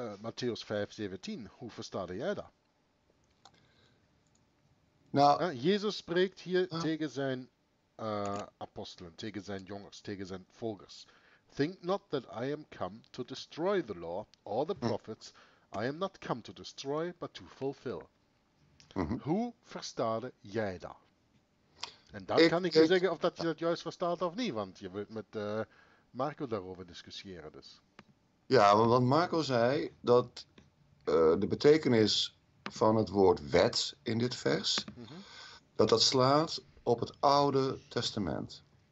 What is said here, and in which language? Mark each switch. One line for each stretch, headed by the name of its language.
Dutch: Matteüs 5:17, hoe verstaat jij dat? Nou, Ja, Jezus spreekt hier tegen zijn apostelen, tegen zijn jongens, tegen zijn volgers.
English: Think not that I am come to destroy the law or the prophets. I am not come to destroy, but to fulfill.
Dutch: Hoe verstaat jij dat? En dan kan ik je zeggen of dat je dat juist verstaat of niet, want je wilt met Marco daarover discussiëren dus. Ja, want Marco zei dat de betekenis van het woord wet in dit vers, dat slaat op het Oude Testament.